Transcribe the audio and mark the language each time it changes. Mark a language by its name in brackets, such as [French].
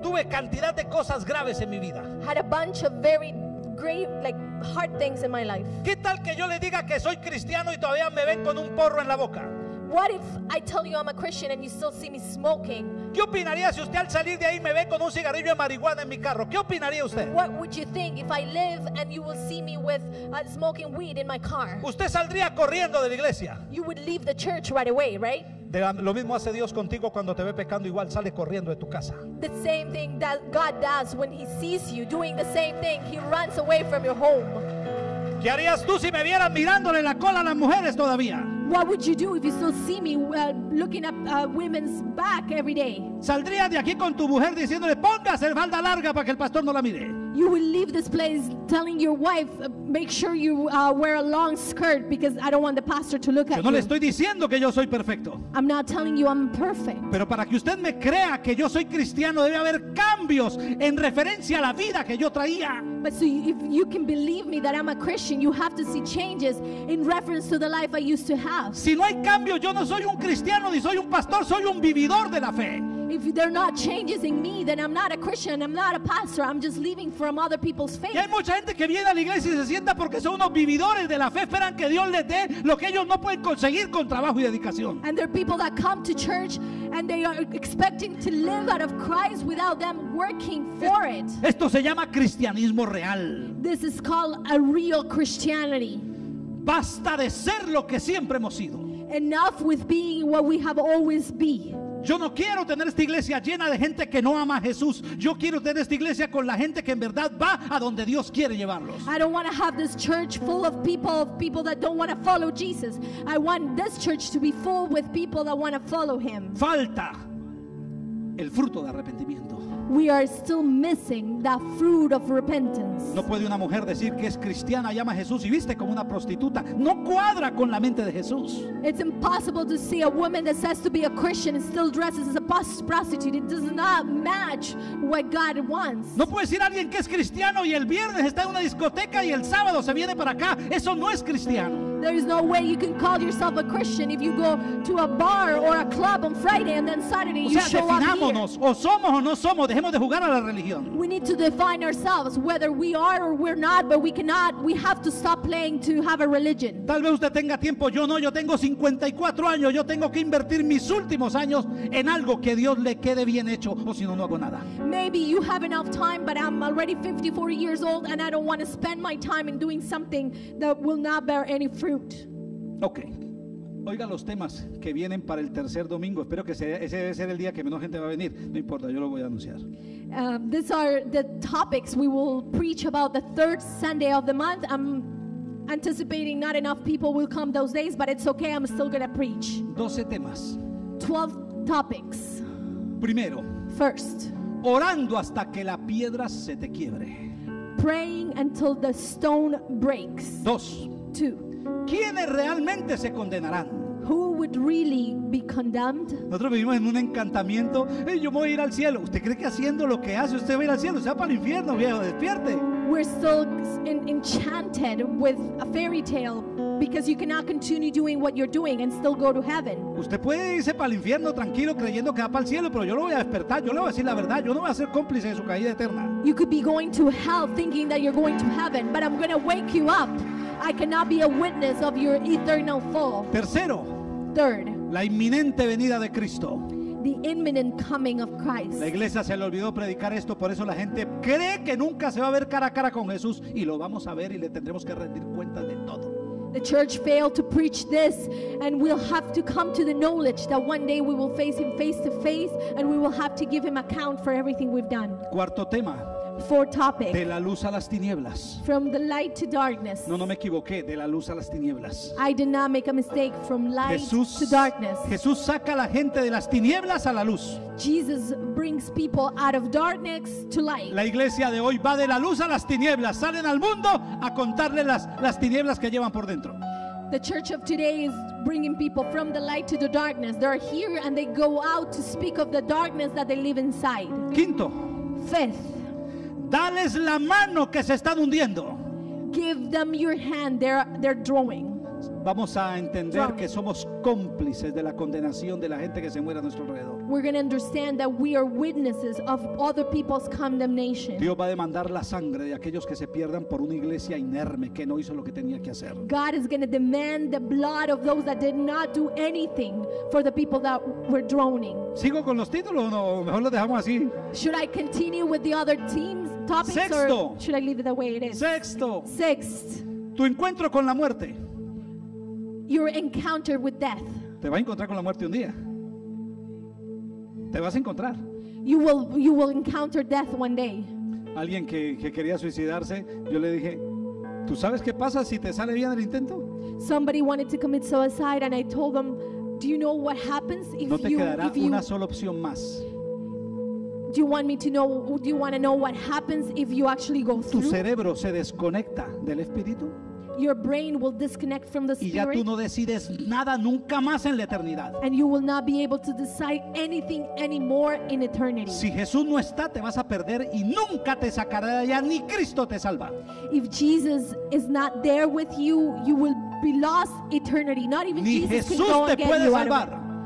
[Spanish] Tuve cantidad de cosas graves en mi vida. [English] Had a bunch of very great, like, hard things in my life. [Spanish] ¿Qué tal que yo le diga que soy cristiano y todavía me ven con un porro en la boca? [English] What if I tell you I'm a Christian and you still see me smoking? [Spanish] ¿Qué opinaría si usted al salir de ahí me ve con un cigarrillo de marihuana en mi carro? ¿Qué opinaría usted? [English] What would you think if I live and you will see me with smoking weed in my car? [Spanish] ¿Usted saldría corriendo de la iglesia? [English] You would leave the church right away, right? [Spanish] Lo mismo hace Dios contigo cuando te ve pecando, igual sale corriendo de tu casa. [English] The same thing that God does when he sees you doing the same thing, he runs away from your home. [Spanish] ¿Qué harías tú si me vieras mirándole la cola a las mujeres todavía? [English] What would you do if you still see me looking up women's back every day? [Spanish] Saldría de aquí con tu mujer diciéndole, póngase falda larga para que el pastor no la mire. [English] You will leave this place telling your wife, make sure you wear a long skirt because I don't want the pastor to look at you. [Spanish] Yo no le estoy diciendo que yo soy perfecto. [English] I'm not telling you I'm perfect. [Spanish] Pero para que usted me crea que yo soy cristiano, debe haber cambios en referencia a la vida que yo traía. [English] But so if you can believe me that I'm a Christian, you have to see changes in reference to the life I used to have. [Spanish] Si no hay cambio, yo no soy un cristiano ni soy un pastor, soy un vividor de la fe. [English] If there are not changes in me, then I'm not a Christian, I'm not a pastor, I'm just living from other people's faith. [Spanish] Y hay mucha gente que viene a la iglesia y se sienta porque son unos vividores de la fe, esperan que Dios les dé lo que ellos no pueden conseguir con trabajo y dedicación. [English] And there are people that come to church and they are expecting to live out of Christ without them working for it. [Spanish] Esto se llama cristianismo real. [English] This is called a real Christianity. [Spanish] Basta de ser lo que siempre hemos sido. [English] Enough with being what we have always been. [Spanish] Yo no quiero tener esta iglesia llena de gente que no ama a Jesús. Yo quiero tener esta iglesia con la gente que en verdad va a donde Dios quiere llevarlos. [English] I don't want to have this church full of people that don't want to follow Jesus. I want this church to be full with people that want to follow him. [Spanish] Falta el fruto de arrepentimiento. [English] We are still missing that fruit of repentance. [Spanish] No puede una mujer decir que es cristiana y ama a Jesús y viste como una prostituta. No cuadra con la mente de Jesús. [English] It's impossible to see a woman that says to be a Christian and still dresses as a prostitute. It does not match what God wants. [Spanish] No puede decir alguien que es cristiano y el viernes está en una discoteca y el sábado se viene para acá. Eso no es cristiano. [English] There is no way you can call yourself a Christian if you go to a bar or a club on Friday and then Saturday you show up here. [Spanish] Definámonos, o somos o no somos. Dejemos de jugar a la religión. [English] We need to define ourselves whether we are or we're not, but we have to stop playing to have a religion. [Spanish] Tal vez usted tenga tiempo, yo no, yo tengo 54 años, yo tengo que invertir mis últimos años en algo que Dios le quede bien hecho o si no, no hago nada. [English] Maybe you have enough time, but I'm already 54 years old and I don't want to spend my time in doing something that will not bear any fruit. Okay. [Spanish] Oiga los temas que vienen para el tercer domingo. Espero que sea, ese debe ser el día que menos gente va a venir. No importa, yo lo voy a anunciar. [English] These are the topics we will preach about the third Sunday of the month. I'm anticipating not enough people will come those days, but it's okay, I'm still going to preach. [Spanish] 12 temas. [English] 12 topics. [Spanish] Primero. [English] First. [Spanish] orando hasta que la piedra se te quiebre. [English] Praying until the stone breaks. [Spanish] Dos. [English] Two. [Spanish] ¿Quiénes realmente se condenarán? [English] Who would really be condemned? [Spanish] Nosotros vivimos en un encantamiento. Hey, yo me voy a ir al cielo. ¿Usted cree que haciendo lo que hace usted va a ir al cielo? Se va para el infierno, viejo, despierte. [English] We're still enchanted with a fairy tale because you cannot continue doing what you're doing and still go to heaven. [Spanish] Usted puede irse para el infierno tranquilo creyendo que va para el cielo, pero yo lo voy a despertar, yo le voy a decir la verdad, yo no voy a ser cómplice de su caída eterna. [English] You could be going to hell thinking that you're going to heaven, but I'm going to wake you up. I cannot be a witness of your eternal fall. [Spanish] Tercero. [English] Third. [Spanish] La inminente venida de Cristo. [English] The imminent coming of Christ. [Spanish] La iglesia se le olvidó predicar esto, por eso la gente cree que nunca se va a ver cara a cara con Jesús, y lo vamos a ver y le tendremos que rendir cuentas de todo. [English] The church failed to preach this, and we'll have to come to the knowledge that one day we will face him face to face, and we will have to give him account for everything we've done. [Spanish] Cuarto tema. [English] Fourth topic. [Spanish] De la luz a las tinieblas. [English] From the light to darkness. [Spanish] No, no me equivoqué. De la luz a las tinieblas. [English] I did not make a mistake. From light [Spanish] Jesús, [English] to darkness. [Spanish] Jesús saca a la gente de las tinieblas a la luz. [English] Jesus brings people out of darkness to light. [Spanish] La iglesia de hoy va de la luz a las tinieblas. Salen al mundo a contarle las tinieblas que llevan por dentro. [English] The church of today is bringing people from the light to the darkness. They are here and they go out to speak of the darkness that they live inside. [Spanish] Quinto. [English] Fifth. [Spanish] Dales la mano que se están hundiendo. [English] Give them your hand. They're drawing. [Spanish] Vamos a entender drawing. Que somos cómplices de la condenación de la gente que se muere a nuestro alrededor. [English] We're going to understand that we are witnesses of other people's condemnation. [Spanish] Dios va a demandar la sangre de aquellos que se pierdan por una iglesia inerme que no hizo lo que tenía que hacer. [English] God is going to demand the blood of those that did not do anything for the people that were drowning. [Spanish] ¿Sigo con los títulos o no? Mejor los dejamos así. [English] Should I continue with the other teams topics? [Spanish] Sexto. [English] Or should I leave it the way it is? [Spanish] Sexto. [English] Sixth. [Spanish] Tu encuentro con la muerte. [English] Your encounter with death. [Spanish] Te vas a encontrar con la muerte un día. Te vas a encontrar. [English] You will encounter death one day. [Spanish] Alguien que quería suicidarse, yo le dije, ¿tú sabes qué pasa si te sale bien el intento? [English] Somebody wanted to commit suicide and I told them, do you know what happens if [Spanish] no te [English] you [Spanish] quedará [English] if you, [Spanish] una sola opción más? [English] Do you want me to know? Do you want to know what happens if you actually go through? [Spanish] Tu cerebro se desconecta del espíritu. [English] Your brain will disconnect from the spirit. [Spanish] Y ya tú no decides nada nunca más en la eternidad. [English] And you will not be able to decide anything anymore in eternity. [Spanish] Si Jesús no está, te vas a perder y nunca te sacará de allá ni Cristo te salva. [English] If Jesus is not there with you, you will be lost eternity. Not even [Spanish] ni [English] Jesus [Spanish] te puede salvar.